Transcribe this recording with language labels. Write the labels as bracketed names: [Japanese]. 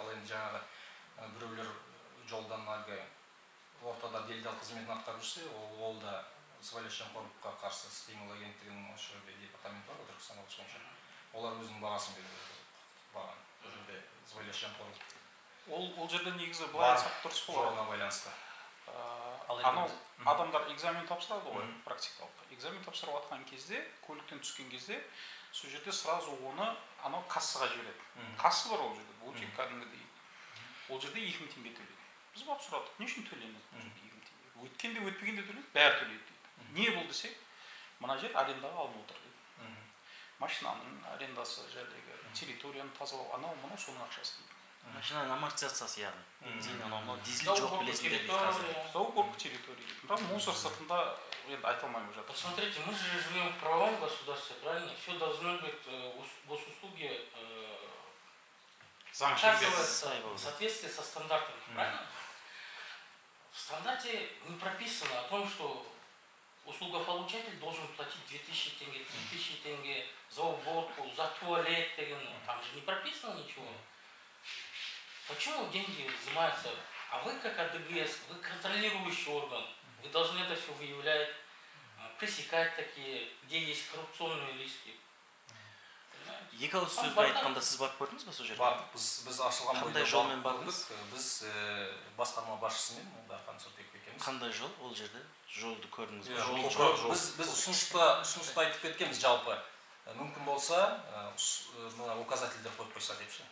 [Kazakh] Ал енді жаңағы біреулер жолдан әлгі ортада делдал қызметін атқарып жүрсе, ол да сыбайлас жемқорлыққа қарсы іс қимыл агенттігінің осы жерде департаменті бар ғой, Түркістан облысы бойынша. Олар өзінің бағасын береді. Баған. Бұл жерде сыбайлас жемқорлық. Ол жерде негізі былай айтсақ дұрыс болар. Жолына байланысты. Анау адамдар экзамен тапсырады ғой, практикалық. Экзамен тапсырып жатқан кезде, көліктен түскен кезде, сол жерде сразу оны анау кассаға жібереді. Кассы бар ол жерде, бутик кәдімгідей. Ол жерде 2000 теңге төлейді. Біз барып сұрадық, не үшін төлейміз 2000 теңге? Өткенде өтпегенде төлейді, бәрі төлейді. Не бұл десек, мына жер арендаға алынып отыр. Машинаның арендасы, жердегі территорияны тазалау, анау мынау соның ақшасы. Машинаның амортизациясы яғни. Бензин анау мынау дизель жоқ білесіздер дейді қазір. Сау корпус территория дейді. Мына мусор сыртында енді айта алмаймын жатыр. [Russian] Посмотрите, мы же живем в правовом государстве, правильно? Все должно быть госуслуги соответствие со стандартами, правильно? В стандарте не прописано о том, что услугополучатель должен платить 2000 тенге, 3000 тенге за уборку, за туалет, там же не прописано ничего. Почему деньги взимаются? А вы как АДГС, вы контролирующий орган, вы должны это все выявлять, пресекать такие, где есть коррупционные риски. [Kazakh] Екі ауыз сөз айтқанда сіз барып көрдіңіз ба сол жерге? Бардық, біз ашылған бойда. Қандай жолмен бардыңыз? Біз басқарма басшысымен Дархан Сұлтек екеуміз. Қандай жол ол жерде? Жолды көрдіңіз бе? Жол жоқ. Біз ұсынысты айтып кеткенбіз жалпы. Мүмкін болса, мына указательдер қойып қойса депші.